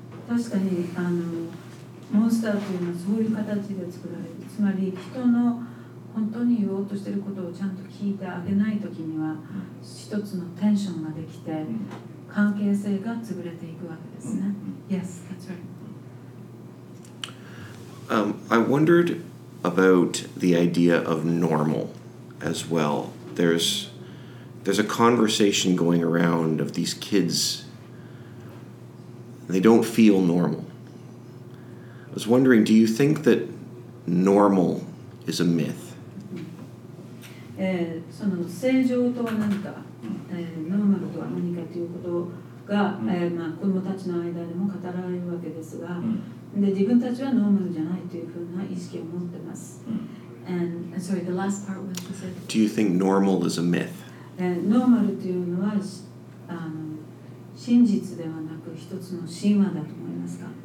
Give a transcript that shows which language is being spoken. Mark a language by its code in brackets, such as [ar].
[en] I wondered about the idea of normal as well. There's a conversation going around of these kids. They don't feel normal. I was wondering, do you think that normal is a myth? [ja] その正常とは何か、ノーマルとは何かということが、まあ、子供たちの間でも語られるわけですが、で、自分たちはノーマルじゃないというふうな意識を持ってます。 [en] And sorry, the last part was to say, do you think normal is a myth? [ja] ノーマルというのは、真実ではなく一つの神話だと思いますか？